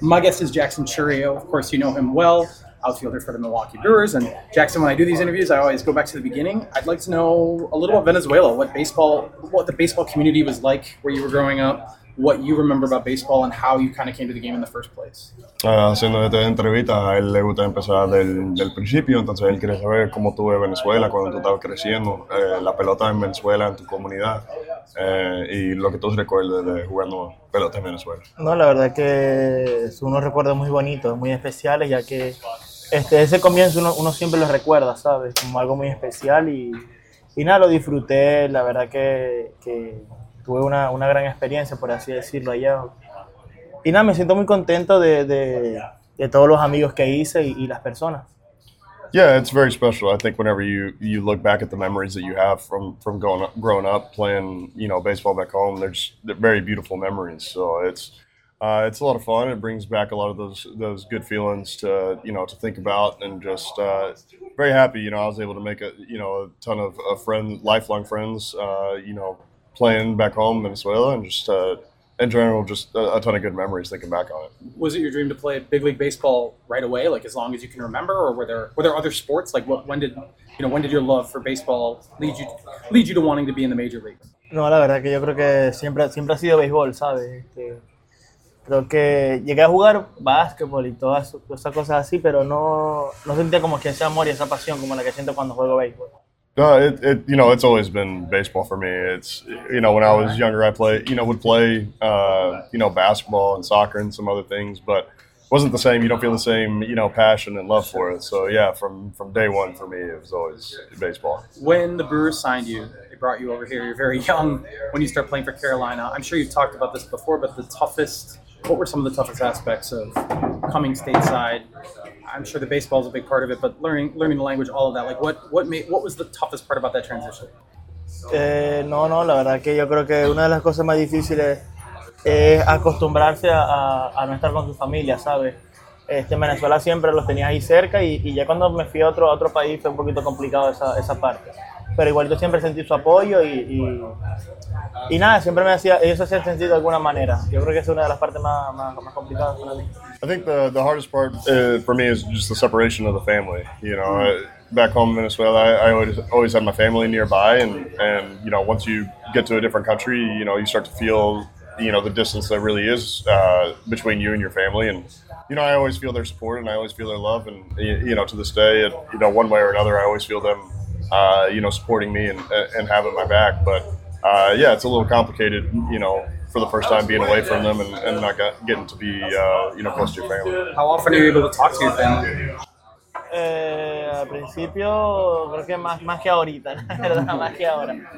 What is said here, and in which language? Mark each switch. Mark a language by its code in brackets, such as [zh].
[en] My guest is Jackson Churio. Of course, you know him well. Outfielder for the Milwaukee Brewers. And Jackson, when I do these interviews, I always go back to the beginning. I'd like to know a little about Venezuela, what the baseball community was like where you were growing up, what you remember about baseball and how you kind of came to the game in the first place. [es] Haciendo esta entrevista, a él le gusta empezar del principio, entonces él quiere saber cómo tuve Venezuela cuando tú estabas creciendo, la pelota en Venezuela, en tu comunidad, y lo que tú recuerdas de jugando pelota en Venezuela. No, la verdad es que son unos recuerdos muy bonitos, muy especiales, ya que ese comienzo uno siempre lo recuerda, ¿sabes? Como algo muy especial y nada, lo disfruté, la verdad que tuve una gran experiencia, por así decirlo, allá. Y nada, me siento muy contento de todos los amigos que hice y las personas. [en] Yeah, it's very special. I think whenever you look back at the memories that you have from growing up playing, baseball back home, they're very beautiful memories. So it's a lot of fun. It brings back a lot of those good feelings to think about, and just very happy. I was able to make a ton of lifelong friends playing back home in Venezuela, and just in general, just a ton of good memories thinking back on it. Was it your dream to play big league baseball right away, like as long as you can remember, or were there other sports? Like, when did your love for baseball lead you to wanting to be in the major leagues? [es] No, la verdad que yo creo que siempre ha sido béisbol, ¿sabes? Creo que llegué a jugar básquetbol y todas esas cosas así, pero no sentía como que ese amor y esa pasión como la que siento cuando juego béisbol. [en] It's always been baseball for me. It's, when I was younger, I played, would play, basketball and soccer and some other things, but it wasn't the same. You don't feel the same, passion and love for it. So, yeah, from day one for me, it was always baseball. When the Brewers signed you, they brought you over here. You're very young when you start playing for Carolina. I'm sure you've talked about this before, but the toughest What were some of the toughest aspects of coming stateside? I'm sure the baseball is a big part of it, but learning the language, all of that. Like, what was the toughest part about that transition? [es] No, la verdad que yo creo que una de las cosas más difíciles es acostumbrarse a no estar con su familia, ¿sabes? En Venezuela siempre los tenía ahí cerca y ya cuando me fui a otro país fue un poquito complicado esa parte. Pero igual yo siempre sentí su apoyo y nada, siempre me hacía, ellos hacían sentido de alguna manera. Yo creo que es una de las partes más complicadas para mí. [en] I think the hardest part for me is just the separation of the family. You know, back home in Venezuela, I always had my family nearby and you know, once you get to a different country, you know, you start to feel, you know, the distance that really is between you and your family. And you know, I always feel their support and I always feel their love. And you know, to this day, you know, one way or another, I always feel them, you know, supporting me and having my back. But yeah, it's a little complicated, you know, for the first time being away from them and not getting to be, you know, close to your family. How often are you able to talk to your family? [es] Al principio, creo que más que ahorita, más que ahora.